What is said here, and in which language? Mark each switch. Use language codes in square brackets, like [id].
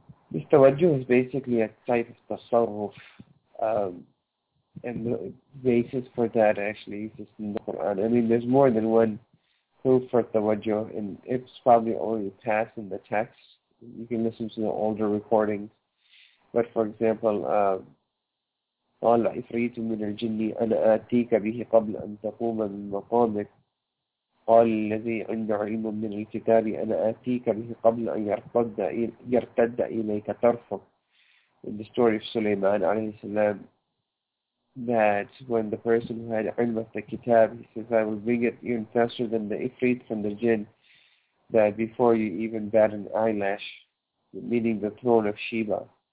[en] This tawajjuh is basically a type of tasawwuf, and the basis for that actually is just in the Quran. I mean, there's more than one proof for tawajjuh, and it's probably only passed in the text. You can listen to the older recordings. But for example, [ar] قال عفريت من الجن أنا آتيك به قبل أن تقوم من مقامك قال الذي عند علم من الكتاب أنا آتيك به قبل أن يرتد إليك طرفك. [en] In the story of Sulaiman عليه السلام, that when the person who had علم of the kitab, he says, I will bring it even faster than the ifrit from the jinn, that before you even bat an eyelash, meaning the throne of Sheba.